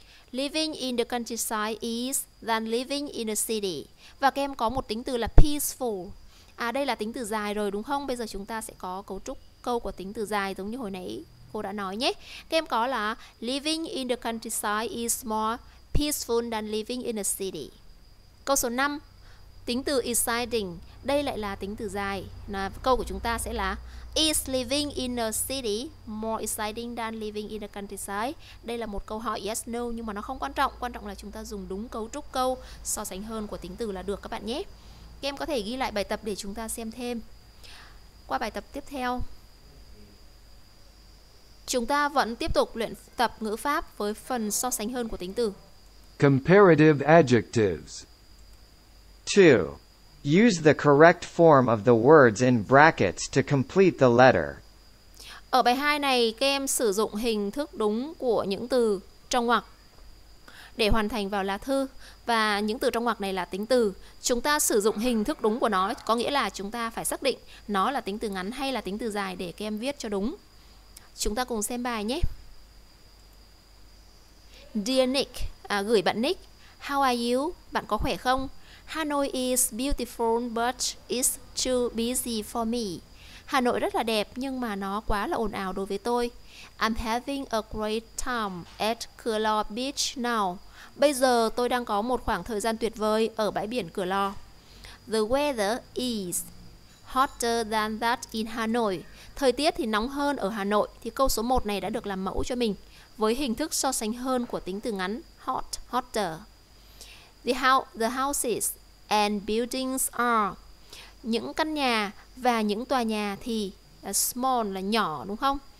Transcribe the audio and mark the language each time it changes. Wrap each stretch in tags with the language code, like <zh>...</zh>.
<en>Living in the countryside is than living in a city.</en> <vi>Và các em có một tính từ là peaceful. À đây là tính từ dài rồi đúng không? Bây giờ chúng ta sẽ có cấu trúc câu của tính từ dài giống như hồi nãy cô đã nói nhé. Các em có là</vi> <en>living in the countryside is more peaceful than living in a city.</en> <vi>Câu số 5. Tính từ exciting, đây lại là tính từ dài. Câu của chúng ta sẽ là</vi> <en>is living in a city more exciting than living in the countryside?</en> <vi>Đây là một câu hỏi</vi> <en>yes, no,</en> <vi>nhưng mà nó không quan trọng. Quan trọng là chúng ta dùng đúng cấu trúc câu so sánh hơn của tính từ là được các bạn nhé. Các em có thể ghi lại bài tập để chúng ta xem thêm. Qua bài tập tiếp theo, chúng ta vẫn tiếp tục luyện tập ngữ pháp với phần so sánh hơn của tính từ.</vi> <en>Comparative adjectives. 2. Use the correct form of the words in brackets to complete the letter.</en> <vi>Ở bài 2 này, các em sử dụng hình thức đúng của những từ trong ngoặc để hoàn thành vào lá thư. Và những từ trong ngoặc này là tính từ. Chúng ta sử dụng hình thức đúng của nó, có nghĩa là chúng ta phải xác định nó là tính từ ngắn hay là tính từ dài để các em viết cho đúng. Chúng ta cùng xem bài nhé.</vi> <en>Dear Nick,</en> <vi>gửi bạn Nick.</vi> <en>How are you?</en> <vi>Bạn có khỏe không?</vi> <en>Hanoi is beautiful but it's too busy for me.</en> <vi>Hà Nội rất là đẹp nhưng mà nó quá là ồn ào đối với tôi.</vi> <en>I'm having a great time at Cửa Lò Beach now.</en> <vi>Bây giờ tôi đang có một khoảng thời gian tuyệt vời ở bãi biển Cửa Lò.</vi> <en>The weather is hotter than that in Hanoi.</en> <vi>Thời tiết thì nóng hơn ở Hà Nội. Thì câu số 1 này đã được làm mẫu cho mình với hình thức so sánh hơn của tính từ ngắn hot, hotter.</vi> <en>The houses and buildings are.</en> <vi>Những căn nhà và những tòa nhà thì</vi> <en>small</en> <vi>là nhỏ đúng không?</vi>